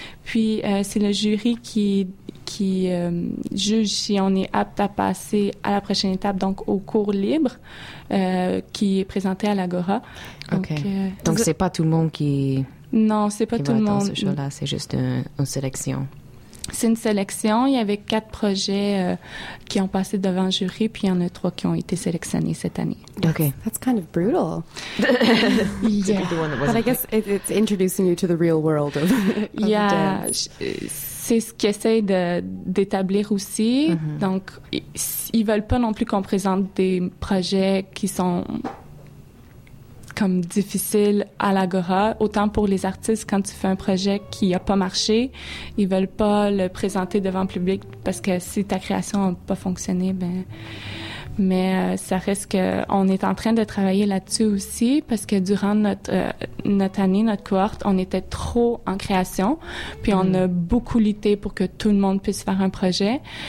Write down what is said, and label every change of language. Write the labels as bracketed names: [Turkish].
[French] Puis c'est le jury qui juge si on est apte à passer à la prochaine étape, donc au cours libre qui est présenté à l'Agora. Donc, okay. Donc c'est pas tout le monde qui... Non, c'est pas tout le monde. Dans ce show-là, c'est juste une sélection. C'est une sélection. Il y avait 4 projets qui ont passé devant le jury, puis il y en a 3 qui ont été sélectionnés cette année. OK. [English] That's kind of brutal. Yeah. But I guess it's introducing you to the real world of [French] yeah. C'est ce qu'ils essayent d'établir aussi. Mm-hmm. Donc, ils ne veulent pas non plus qu'on présente des projets qui sont comme difficile à l'Agora, autant pour les artistes quand tu fais un projet qui a pas marché, ils veulent pas le présenter devant le public parce que si ta création a pas fonctionné, ben mais ça reste que on est en train de travailler là-dessus aussi parce que durant notre année, notre cohorte, on était trop en création, puis on a beaucoup lutté pour que tout le monde puisse faire un projet.